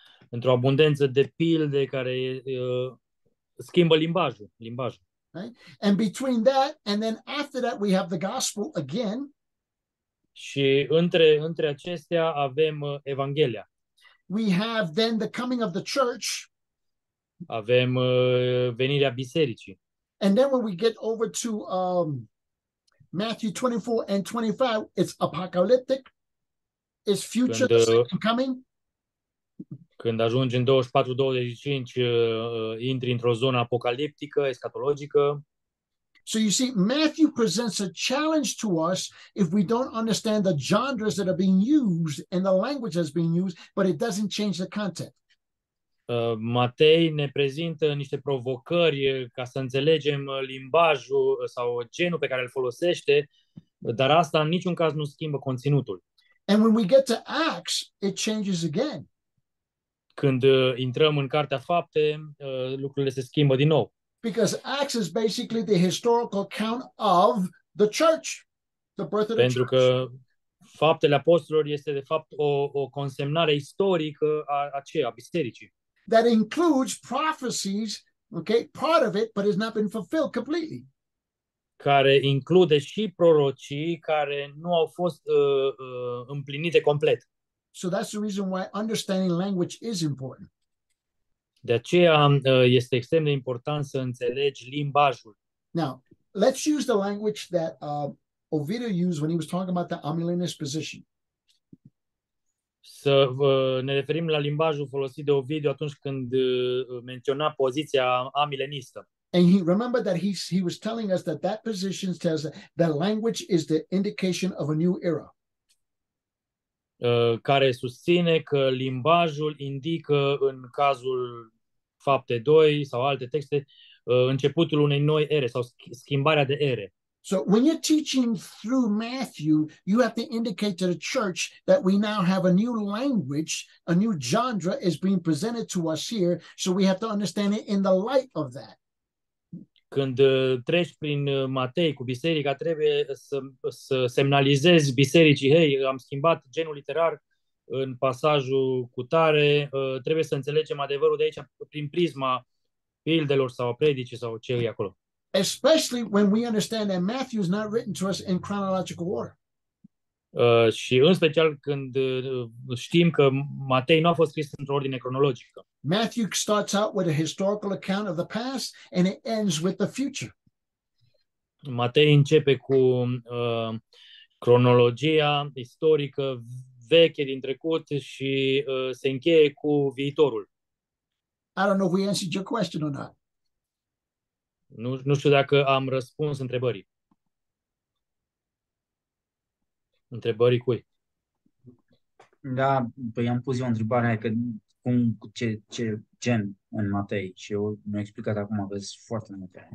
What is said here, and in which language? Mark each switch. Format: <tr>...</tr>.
<ro>Într-o abundență de pilde care schimbă limbajul.</ro> <en>Right? And between that and then after that we have the gospel again.</en> <ro>Și între acestea avem Evanghelia.</ro> <en>We have then the coming of the church.</en> <ro>Avem venirea bisericii.</ro> <en>And then when we get over to Matthew 24 and 25, it's apocalyptic. It's future, the second coming.</en> <ro>Când ajungi în 24-25, intri într-o zonă apocaliptică, escatologică.</ro> <en>So you see, Matthew presents a challenge to us if we don't understand the genres that are being used and the language that's being used, but it doesn't change the content.</en> <ro>Matei ne prezintă niște provocări ca să înțelegem limbajul sau genul pe care îl folosește, dar asta în niciun caz nu schimbă conținutul.</ro> <en>And when we get to Acts, it changes again.</en> <ro>Când intrăm în Cartea Fapte, lucrurile se schimbă din nou.</ro> <en>Because Acts is basically the historical account of the church, the birth of the church.</en> <ro>Pentru că Faptele Apostolilor este de fapt o consemnare istorică a bisericii.</ro> <en>That includes prophecies, okay, part of it, but has not been fulfilled completely.</en> <ro>Care include și prorocii care nu au fost împlinite complet.</ro> <en>So that's the reason why understanding language is important.</en> <ro>De aceea este extrem de important să înțelegi limbajul.</ro> <en>Now, let's use the language that Ovidiu used when he was talking about the Amillennialist position.</en> <ro>Să ne referim la limbajul folosit de Ovidiu atunci când menționa poziția amilenistă.</ro> <en>And he remember that he was telling us that that position says that language is the indication of a new era.</en> <ro>Care susține că limbajul indică, în cazul Fapte 2 sau alte texte, începutul unei noi ere sau schimbarea de ere.</ro> <en>So when you're teaching through Matthew, you have to indicate to the church that we now have a new language, a new genre is being presented to us here, so we have to understand it in the light of that.</en> <ro>Când treci prin Matei cu biserica, trebuie să semnalizezi bisericii, hei, am schimbat genul literar în pasajul cu tare, trebuie să înțelegem adevărul de aici prin prisma pildelor sau predicii sau ce e acolo.</ro> <en>Especially when we understand that Matthew is not written to us in chronological order.</en> <ro>Și în special când știm că Matei nu a fost scris într-o ordine cronologică.</ro> <en>Matthew starts out with a historical account of the past and it ends with the future.</en> <ro>Matei începe cu cronologia istorică veche din trecut și se încheie cu viitorul.</ro> <en>I don't know if we answered your question or not.</en> <ro>Nu știu dacă am răspuns întrebării. Întrebării cui? Da, păi am pus eu întrebarea aia că cum, ce gen în Matei și eu mi-am explicat acum, că sunt foarte multe.</ro>